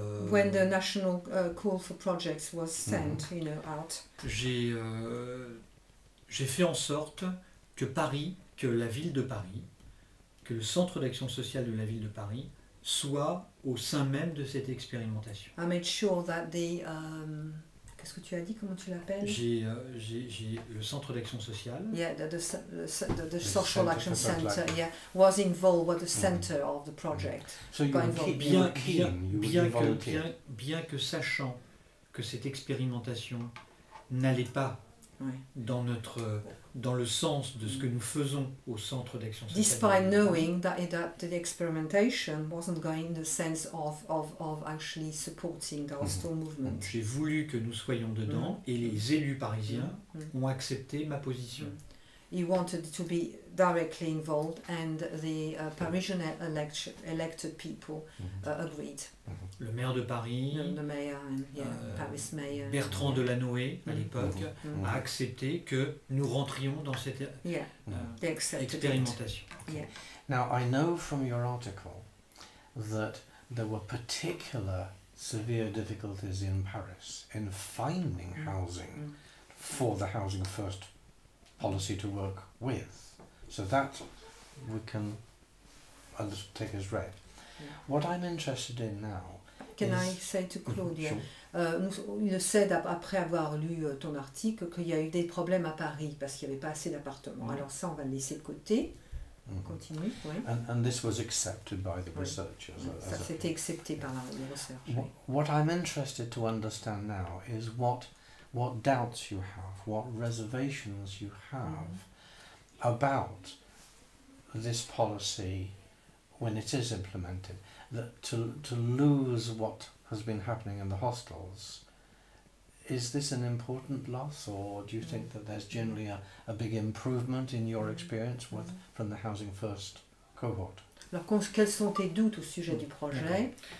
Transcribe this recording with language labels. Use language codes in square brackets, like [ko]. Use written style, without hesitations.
[en] When the national call for projects was sent, out. [fr] J'ai fait en sorte que Paris, que la ville de Paris, que le centre d'action sociale de la ville de Paris soit au sein même de cette expérimentation. [en] I made sure that the [fr] qu'est-ce que tu as dit, comment tu l'appelles? J'ai le centre d'action sociale. [en] Yeah, the social action center. Yeah, was involved with the center of the project. So you [fr] bien que sachant que cette expérimentation n'allait pas dans le sens de ce que nous faisons au centre d'action sociale. [en] Despite knowing that the experimentation wasn't going in the sense of actually supporting the hostel movement. [fr] J'ai voulu que nous soyons dedans et les élus parisiens ont accepté ma position. [en] He wanted to be directly involved and the Parisian elected people agreed. [fr] Le maire de Paris, [en] Paris mayor, [fr] Bertrand Delanoë à l'époque, a accepté que nous rentrions dans cette expérimentation. [en] Now I know from your article that there were particular severe difficulties in Paris in finding housing for the Housing First policy to work with, so that we can take as read. What I'm interested in now. Can I say to Claudia? [fr] Il sait après avoir lu ton article qu'il y a eu des problèmes à Paris parce qu'il n'y avait pas assez d'appartements. Alors ça, on va le laisser de côté. On continue. [en] And this was accepted by the researchers. [fr] Ça c'était accepté par les chercheurs. [en] What I'm interested to understand now is what doubts you have, what reservations you have about this policy when it is implemented, that to lose what has been happening in the hostels, is this an important loss, or do you think that there's generally a big improvement in your experience with from the Housing First cohort? [fr] Alors, quels sont tes doutes au sujet du projet?